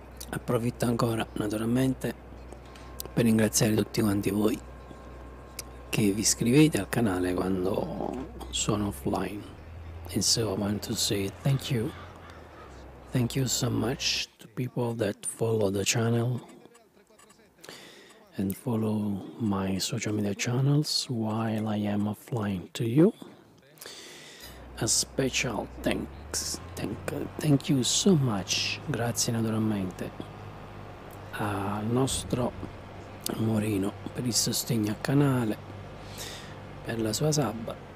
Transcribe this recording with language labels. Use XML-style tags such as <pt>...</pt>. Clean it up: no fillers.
<it>Approfitto ancora naturalmente per ringraziare tutti quanti voi che vi iscrivete al canale quando sono offline.</it> <en>And so I want to say thank you so much to people that follow the channel and follow my social media channels while I am offline to you. A special thank you so much,</en> <it>grazie naturalmente al nostro Morino per il sostegno al canale, per la sua sabba,</it>